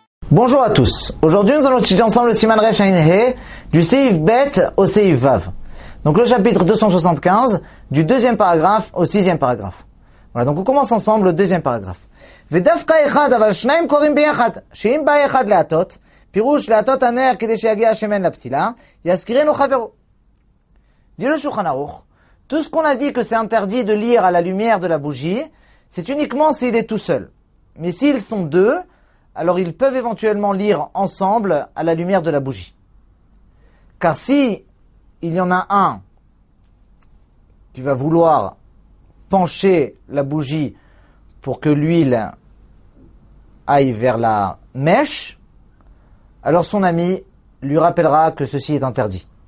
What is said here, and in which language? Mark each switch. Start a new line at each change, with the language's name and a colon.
French: Bonjour à tous. Aujourd'hui, nous allons étudier ensemble le Siman Resh Ayin He du Seif Bet au Seif Vav. Donc le chapitre 275 du deuxième paragraphe au sixième paragraphe. Voilà, donc on commence ensemble le deuxième paragraphe.
Hebrew: ודווקא אחד, אבל שניים קוראים ביחד, שאם בא אחד להטות, פירוש להטות הנר כדי שיגיע השמן לפתילה, יזכירנו חברו. דיו לשולחן ערוך,
French: tout ce qu'on a dit que c'est interdit de lire à la lumière de la bougie, c'est uniquement s'il est tout seul. Mais s'ils sont deux, alors ils peuvent éventuellement lire ensemble à la lumière de la bougie. Car si il y en a un qui va vouloir pencher la bougie pour que l'huile aille vers la mèche, alors son ami lui rappellera que ceci est interdit.